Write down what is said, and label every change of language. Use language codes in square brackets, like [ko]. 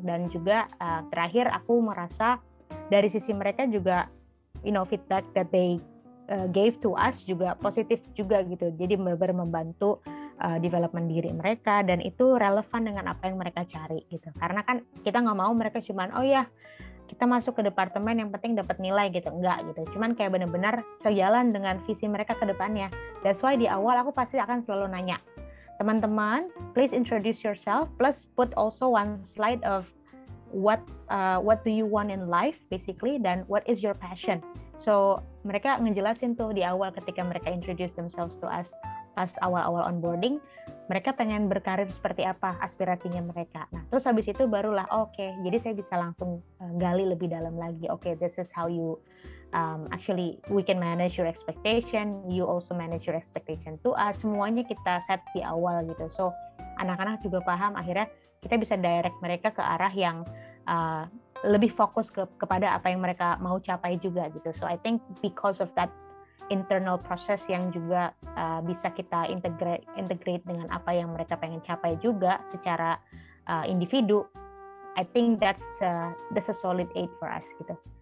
[id] Dan juga terakhir aku merasa dari sisi mereka juga, [en] you know, feedback that they gave to us [id] juga positif juga gitu. Jadi benar-benar membantu development diri mereka, dan itu relevan dengan apa yang mereka cari gitu. Karena kan kita nggak mau mereka cuman, oh ya kita masuk ke departemen yang penting dapat nilai gitu. Enggak gitu. Cuman kayak benar-benar sejalan dengan visi mereka ke depannya. [en] That's why [id] di awal aku pasti akan selalu nanya, teman-teman, [en] please introduce yourself, plus put also one slide of what do you want in life, basically, dan what is your passion. [id] So, mereka ngejelasin tuh di awal ketika mereka [en] introduce themselves to us [id] pas awal-awal onboarding, mereka pengen berkarir seperti apa, aspirasinya mereka. Nah, terus habis itu barulah, okay, jadi saya bisa langsung gali lebih dalam lagi. [en] Okay, this is how you, actually, we can manage your expectation, you also manage your expectation to us. [id] Semuanya kita set di awal gitu. [en] So, anak-anak [id] juga paham, akhirnya kita bisa direct mereka ke arah yang lebih fokus kepada apa yang mereka mau capai juga gitu. [en] So, I think because of that, [id] internal proses yang juga bisa kita integrate dengan apa yang mereka pengen capai juga secara individu, [en] I think that's a solid 8 for us [id] gitu.